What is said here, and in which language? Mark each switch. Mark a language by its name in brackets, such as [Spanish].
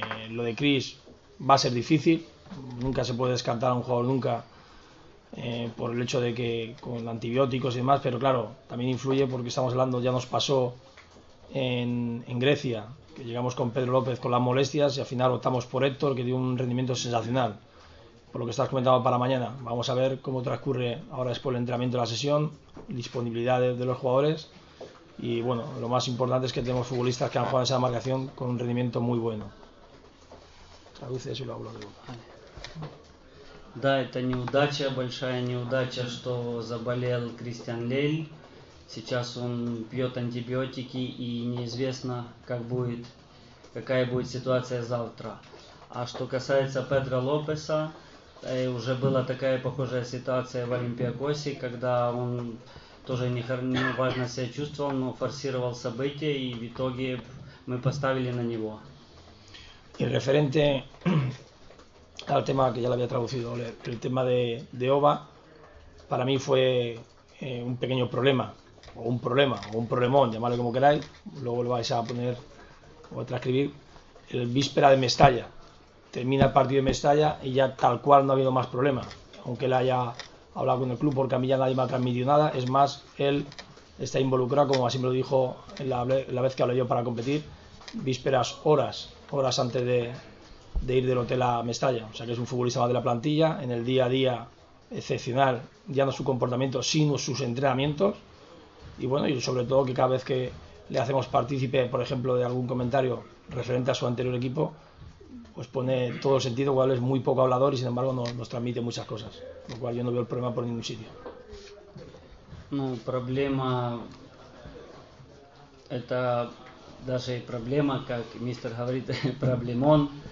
[Spanish] Lo de Chris va a ser difícil, nunca se puede descartar a un jugador nunca por el hecho de que con antibióticos y demás, pero claro, también influye porque estamos hablando, ya nos pasó en Grecia, que llegamos con Pedro López con las molestias y al final optamos por Héctor, que dio un rendimiento sensacional, por lo que estás comentando para mañana. Vamos a ver cómo transcurre ahora después el entrenamiento de la sesión, disponibilidad de los jugadores. Y bueno, lo más importante es que tenemos futbolistas que han jugado esa demarcación con un rendimiento muy bueno. Traduce eso y lo hablo de boca. [Russian] Да, это неудача, большая неудача, что заболел Кристиан Лель. Сейчас он пьет антибиотики и неизвестно, какая будет ситуация завтра. А что касается Педро Лопеса, уже была такая похожая ситуация в Олимпиакосе, когда он тоже неважно себя чувствовал, но форсировал события, и в итоге мы поставили на него. [Spanish] Y referente al tema que ya lo había traducido, el tema de Ova, para mí fue un pequeño problema, o un problema, o un problemón, llamadlo como queráis, luego lo vais a poner o a transcribir, el víspera de Mestalla. Termina el partido de Mestalla y ya tal cual no ha habido más problema, aunque él haya hablado con el club, porque a mí ya nadie me ha transmitido nada. Es más, él está involucrado, como así me lo dijo la vez que hablé yo para competir, vísperas, horas antes de ir del hotel a Mestalla. O sea que es un futbolista más de la plantilla, en el día a día excepcional, ya no su comportamiento, sino sus entrenamientos. Y bueno, y sobre todo que cada vez que le hacemos partícipe, por ejemplo, de algún comentario referente a su anterior equipo, pues pone todo el sentido, igual es muy poco hablador y sin embargo nos transmite muchas cosas. Lo cual yo no veo el problema por ningún sitio. [Russian] Ну, проблема... Это даже проблема, как мистер говорит, проблемон.